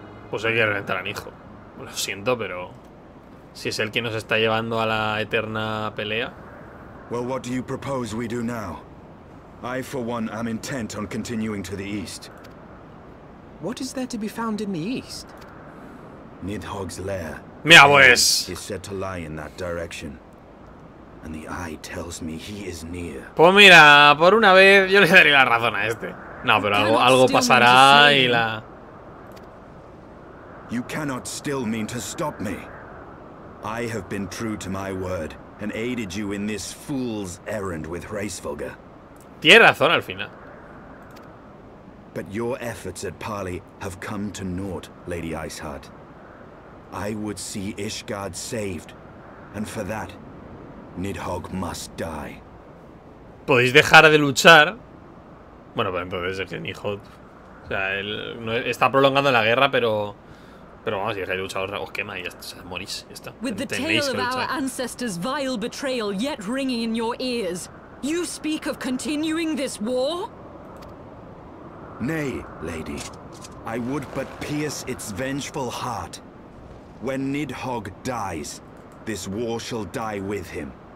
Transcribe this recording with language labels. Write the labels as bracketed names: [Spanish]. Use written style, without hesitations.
[Spanish] Pues hay que reventar a mi hijo. Lo siento, pero. Si es el que nos está llevando a la eterna pelea. [English] Well, what do you propose we do now? I, for one, am intent on continuing to the east. What is there to be found in the east? Nidhogg's lair. [Spanish] Mira, pues. [English] Is said to lie in that direction, and the eye tells me he is near. [Spanish] Pues mira, por una vez yo le daré la razón a este. No, pero algo pasará y la. [English] You cannot still mean to stop me. I have been true to my word and aided you in this fool's errand with Hraesvolgr. [Spanish] Tiene razón al final. [English] But your efforts at parley have come to naught, Lady Iceheart. I would see Ishgard saved, and for that, Nidhogg must die. [Spanish] Podéis dejar de luchar. Bueno, pues entonces el Nidhogg, o sea, él no está prolongando la guerra, pero. Pero vamos, si dejáis luchar, os quema y ya está, o sea, morís. Ya está. [English] With the tale of our ancestors' vile betrayal yet ringing in your ears, you speak of continuing this war? Nay, lady, I would but pierce its vengeful heart. When Nidhogg dies, this war shall die with him.